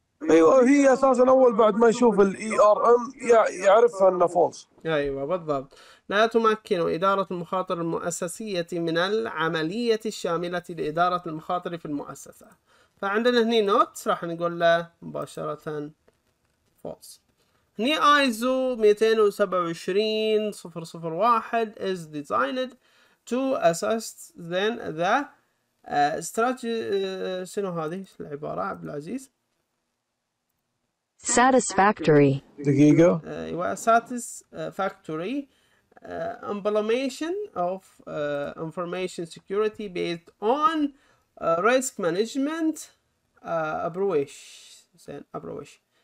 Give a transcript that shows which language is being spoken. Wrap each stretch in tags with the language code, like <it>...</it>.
<ar>ايوه هي اساسا اول بعد ما يشوف الاي ار ام يعرفها انها فولس. ايوه بالضبط. لا تمكن اداره المخاطر المؤسسيه من العمليه الشامله لاداره المخاطر في المؤسسه. فعندنا هنا نوت راح نقول له مباشره فولس. هني</ar> <en>ISO 227001 is designed to assess then the strategy.</en> <ar>شنو هذه العبارة عبد العزيز؟</ar> <en>satisfactory.</en> <ar>دقيقة. أيوة</ar> <en>satisfactory implementation of information security based on risk management approach.</en> <ar>زين</ar> <en>approach.</en>